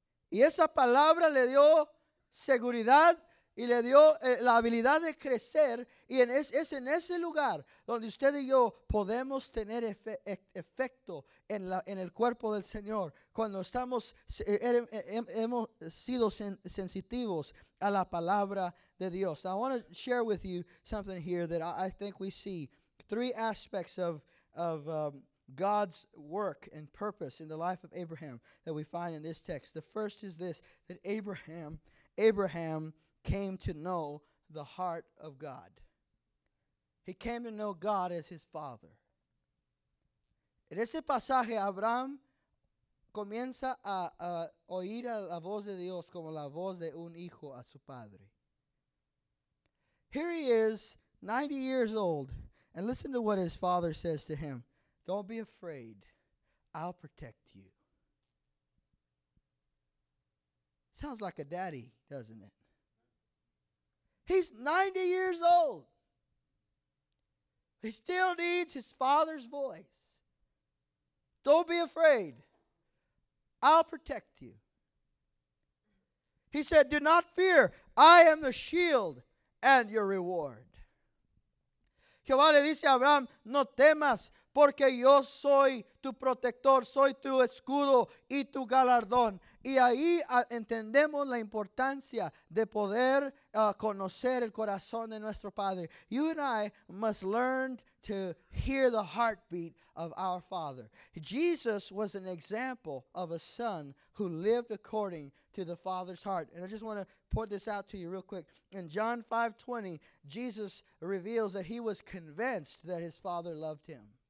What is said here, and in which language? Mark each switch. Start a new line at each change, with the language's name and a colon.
Spanish: Y esa palabra le dio seguridad y le dio la habilidad de crecer. Y es en ese lugar donde usted y yo podemos tener efecto en el cuerpo del Señor. Cuando estamos, hemos sido sensitivos a la palabra de Dios.
English: Now, I want to share with you something here that I think we see. Three aspects of God's work and purpose in the life of Abraham that we find in this text. The first is this, that Abraham came to know the heart of God. He came to know God as his father.
Spanish: En ese pasaje, Abraham comienza a oír a la voz de Dios como la voz de un hijo a su padre.
English: Here he is, 90 years old, and listen to what his father says to him. Don't be afraid. I'll protect you. Sounds like a daddy, doesn't it? He's 90 years old. He still needs his father's voice. Don't be afraid. I'll protect you. He said, do not fear. I am the shield and your reward.
Spanish: Jehová le dice a Abraham, no temas, porque yo soy tu protector, soy tu escudo y tu galardón. Y ahí entendemos la importancia de poder conocer el corazón de nuestro Padre.
English: You and I must learn to hear the heartbeat of our Father. Jesus was an example of a son who lived according to the Father's heart. And I just want to point this out to you real quick. In John 5:20, Jesus reveals that he was convinced that his Father loved him.